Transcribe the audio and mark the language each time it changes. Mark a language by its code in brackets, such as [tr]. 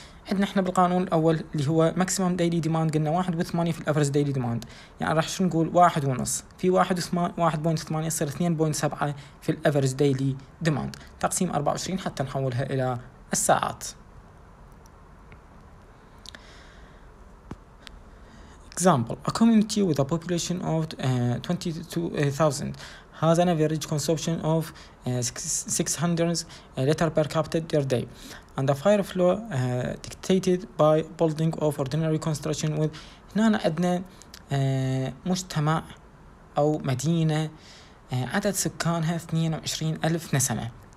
[ar] عندنا احنا بالقانون الاول اللي هو ماكسيمم ديلي ديماند قلنا 1.8 في الافرج ديلي ديماند، يعني راح شو نقول 1.5 في 1.8 يصير 2.7 في الافرج ديلي ديماند تقسيم 24 حتى نحولها الى الساعات. [en] Example: A community with a population of 22,000 has an average consumption of 600 liter per capita per day, and the fire flow dictated by building of ordinary construction with. [ar] هنا عندنا مجتمع أو مدينة عدد سكانها 22,000 نسمة.